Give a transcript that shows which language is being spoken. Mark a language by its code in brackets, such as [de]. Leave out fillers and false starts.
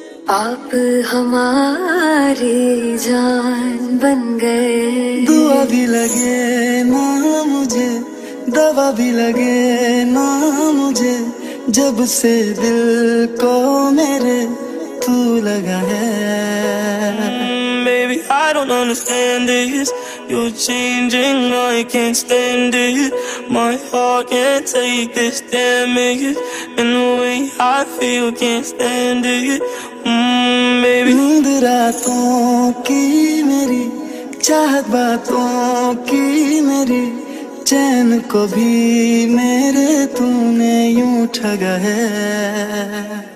[hi] आप हमारी जान बन गए। दुआ भी लगे ना मुझे दवा भी लगे ना मुझे जब से दिल को मेरे तू लगा है। [en] Baby, I don't understand this. You're changing, I can't stand it. My heart can't take this damage. And the way I feel, can't stand it. Baby, [hi] नींद रातों की मेरी चाहत बातों की मेरी चैन को भी मेरे तूने यूं ठगा है।